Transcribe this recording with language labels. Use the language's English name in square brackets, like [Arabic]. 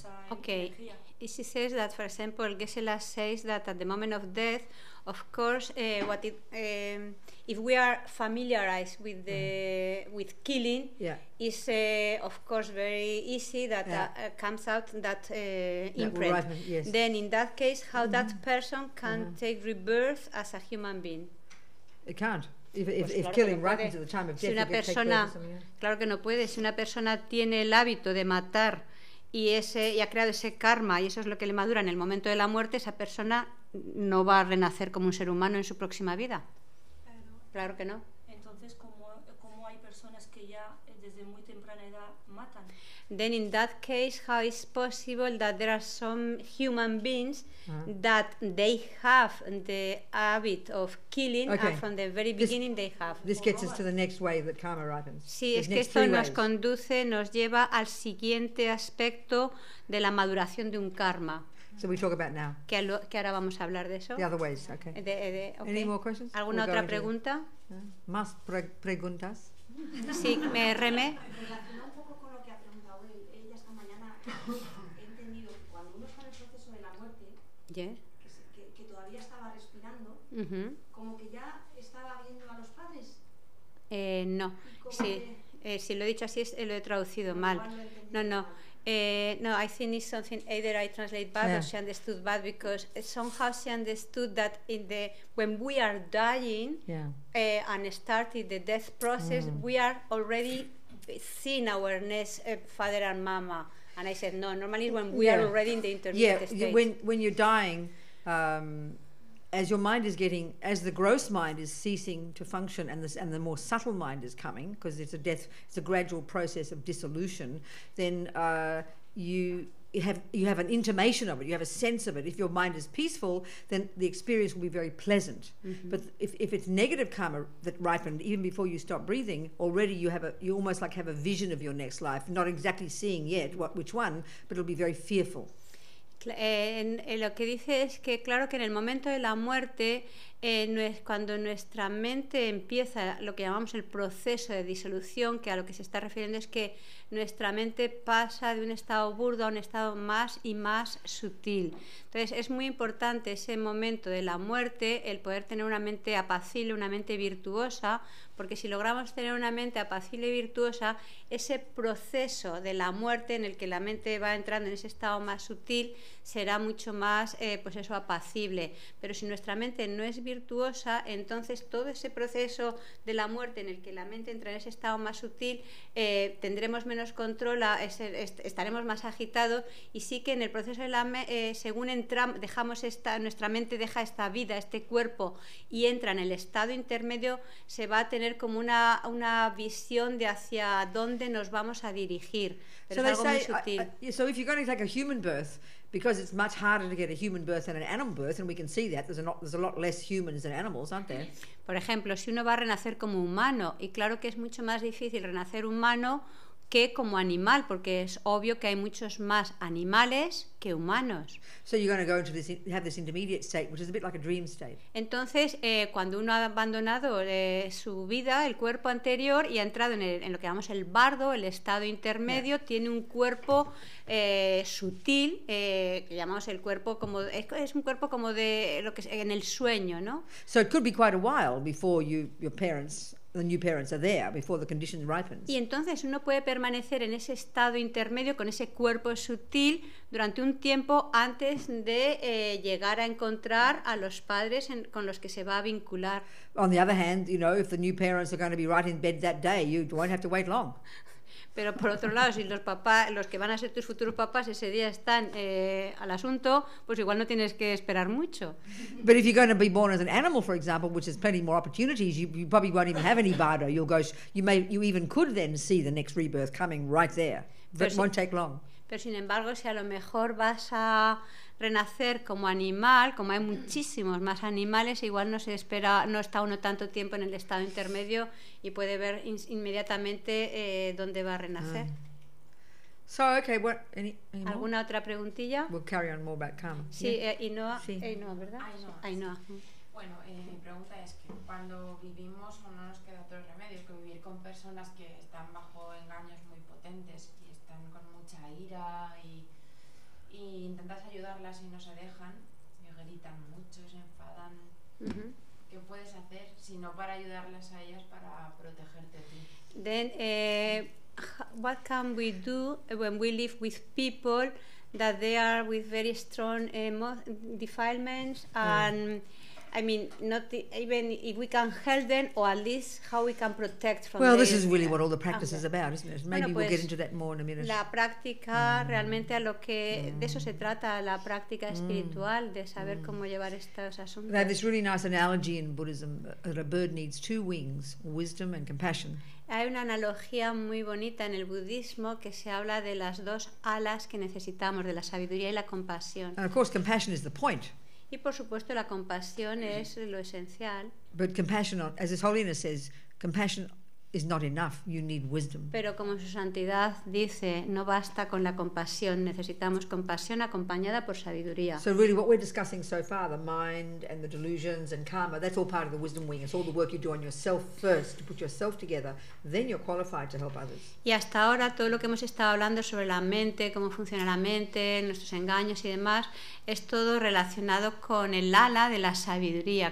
[English] Okay, she says that, for example, Gesela says that at the moment of death, of course, if we are familiarized with the with killing, is of course very easy that comes out that imprint. That will rise, yes. Then, in that case, how that person can take rebirth as a human being? It can't. If killing right into the time of death, [Spanish] si una persona, claro que no puede. Si una persona tiene el hábito de matar. Y ha creado ese karma, y eso es lo que le madura en el momento de la muerte, esa persona no va a renacer como un ser humano en su próxima vida. Claro que no. Entonces, ¿cómo hay personas que ya desde muy temprana edad matan? [English] Then in that case, how is possible that there are some human beings that they have the habit of killing, okay, and from the very beginning they have? This gets us to the next way that karma ripens. [Spanish] Sí, es que esto nos conduce, nos lleva al siguiente aspecto de la maduración de un karma. [English] So we talk about now. [Spanish] Que ahora vamos a hablar de eso. [English] The other ways, okay. Okay. Any more questions? [Spanish] ¿Alguna otra pregunta? Más preguntas. Sí, me remé. He entendido que cuando uno está en el proceso de la muerte, que todavía estaba respirando, como que ya estaba viendo a los padres. No, sí, si lo he dicho así, lo he traducido mal. [English] No, I think it's something either I translate bad or she understood bad, because somehow she understood that when we are dying and started the death process, we are already seeing our next father and mama. And I said, no, normally when we are already in the intermediate state. Yeah, when you're dying, as your mind is getting, as the gross mind is ceasing to function and the more subtle mind is coming, because it's a gradual process of dissolution, then you have an intimation of it, you have a sense of it. If your mind is peaceful, then the experience will be very pleasant. Mm-hmm. But if it's negative karma that ripened, even before you stop breathing, already you almost have a vision of your next life, not exactly seeing yet which one, but it'll be very fearful. [Spanish] Lo que dice es que claro que en el momento de la muerte, cuando nuestra mente empieza lo que llamamos el proceso de disolución, que a lo que se está refiriendo es que nuestra mente pasa de un estado burdo a un estado más y más sutil. Entonces es muy importante ese momento de la muerte, el poder tener una mente apacible, una mente virtuosa, porque si logramos tener una mente apacible y virtuosa, ese proceso de la muerte en el que la mente va entrando en ese estado más sutil será mucho más apacible. Pero si nuestra mente no es virtuosa, virtuosa, entonces todo ese proceso de la muerte en el que la mente entra en ese estado más sutil, tendremos menos control, estaremos más agitados, y sí que en el proceso de la según entramos, dejamos esta, nuestra mente deja esta vida, este cuerpo, y entra en el estado intermedio, se va a tener como una visión de hacia dónde nos vamos a dirigir. [English] So they say, so if you're going to take a human birth, because it's much harder to get a human birth than an animal birth, and we can see that, there's a lot less humans than animals, aren't there? [Spanish] Por ejemplo, si uno va a renacer como humano, y claro que es mucho más difícil renacer humano que como animal, porque es obvio que hay muchos más animales que humanos. [English] So you're going to go into this, have this intermediate state, which is a bit like a dream state. [Spanish] Entonces, cuando uno ha abandonado su vida, el cuerpo anterior, y ha entrado en lo que llamamos el bardo, el estado intermedio, yeah, tiene un cuerpo sutil, que llamamos el cuerpo como es un cuerpo como de lo que es, en el sueño, ¿no? [English] So it could be quite a while before your parents. The new parents are there before the conditions ripen. [Spanish] Y entonces uno puede permanecer en ese estado intermedio con ese cuerpo sutil durante un tiempo antes de llegar a encontrar a los padres con los que se va a vincular. [English] On the other hand, you know, if the new parents are going to be right in bed that day, you won't have to wait long. [Spanish] Pero por otro lado, si los papás, los que van a ser tus futuros papás ese día están al asunto, pues igual no tienes que esperar mucho. [English] But if you're going to be born as an animal, for example, which has plenty more opportunities, you probably won't even have any bardo. You'll go, you even could then see the next rebirth coming right there. But it won't take long. [Spanish] Pero sin embargo, si a lo mejor vas a renacer como animal, como hay muchísimos más animales, igual no se espera, no está uno tanto tiempo en el estado intermedio y puede ver inmediatamente dónde va a renacer. [English] So, okay, what, any [Spanish] ¿alguna otra preguntilla? [English] We'll carry on more about karma. [Spanish] Sí, Ainhoa, yeah. ¿Verdad? Ainhoa. Bueno, mi pregunta es que cuando vivimos no nos queda otro remedio, es que vivir con personas que están bajo engaños muy potentes y están con mucha ira y intentas ayudarlas y no se dejan, y gritan mucho, se enfadan. ¿Qué puedes hacer si no para ayudarlas a ellas, para protegerte a ti? [English] Then, what can we do when we live with people that they are with very strong defilements and I mean, not even if we can help them, or at least how we can protect from. Well, this is really what all the practice is about, isn't it? Maybe we'll get into that more in a minute. [Spanish] La práctica realmente a lo que de eso se trata, la práctica espiritual, de saber cómo llevar estos asuntos. [English] They have this really nice analogy in Buddhism that a bird needs two wings, wisdom and compassion. [Spanish] Hay una analogía muy bonita en el budismo que se habla de las dos alas que necesitamos, de la sabiduría y la compasión. [English] And of course, compassion is the point. [Spanish] Y por supuesto la compasión es lo esencial. [English] But compassion, as His Holiness says, compassion is not enough. You need wisdom. [Spanish] Pero como Su Santidad dice, no basta con la compasión. Necesitamos compasión acompañada por sabiduría. [English] So really, what we're discussing so far, the mind and the delusions and karma, that's all part of the wisdom wing. It's all the work you do on yourself first to put yourself together. Then you're qualified to help others. [Spanish] Y hasta ahora todo lo que hemos estado hablando sobre la mente, cómo funciona la mente, nuestros engaños y demás, es todo relacionado con el ala de la sabiduría.